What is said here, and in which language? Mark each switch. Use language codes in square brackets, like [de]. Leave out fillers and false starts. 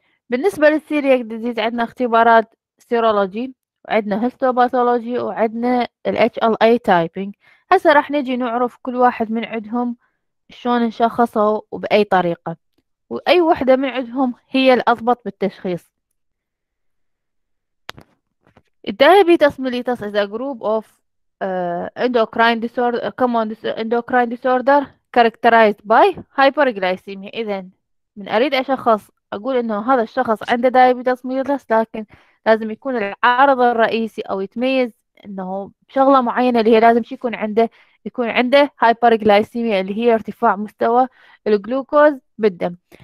[ar] بالنسبة للسيرياك ديزيز عندنا اختبارات سيرولوجي، وعندنا هيستوباثولوجي، وعندنا ال HLA تايبينج. هسه راح نجي نعرف كل واحد من عندهم شلون نشخصه وبأي طريقة، وأي وحدة من عندهم هي الأضبط بالتشخيص. [en] الدايابيتس mellitus is a group of endocrine disorder, common endocrine disorder characterized by hyperglycemia. [ar] إذا من أريد أشخص أقول إنه هذا الشخص عنده دايابيتس ميليتس، لكن لازم يكون العارض الرئيسي أو يتميز إنه بشغلة معينة، اللي هي لازم شي يكون عنده هايبر جلايسيميا، اللي هي ارتفاع مستوى الجلوكوز بالدم.